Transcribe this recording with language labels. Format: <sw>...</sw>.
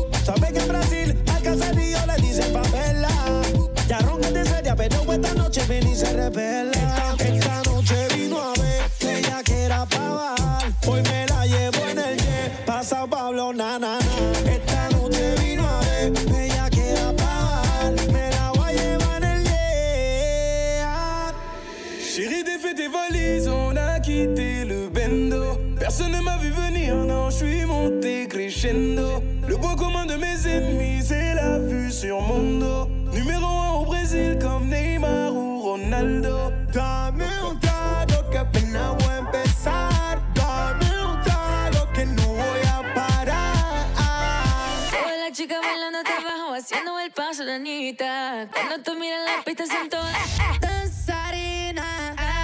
<es>Sabe que en Brasil al caserío le dicen papel. Ya ronca de seria, pero esta noche ven y se revela. Esta noche vino a ver, ella que era pa' bajar. Hoy me la llevo en el jet, pa' Sao Pablo, na, na, na. Esta noche vino a ver, ella que era pa' bajar. Me la voy a llevar en el jet.</es> <fr>Chérie, défait tes valises, on a quitté le bendo. Personne ne m'a vu venir, non, j'suis monté crescendo. Le point commun de mes ennemis, c'est la vue sur mon dos. Numéro 1 au Brésil comme Neymar ou Ronaldo.</fr> <es>Dame un trago que apenas voy a empezar. Dame un trago que no voy a parar. Todas las chicas bailando hasta abajo, haciendo el paso de Anita. Cuando tú miras la pista son todas danzarinas.</es>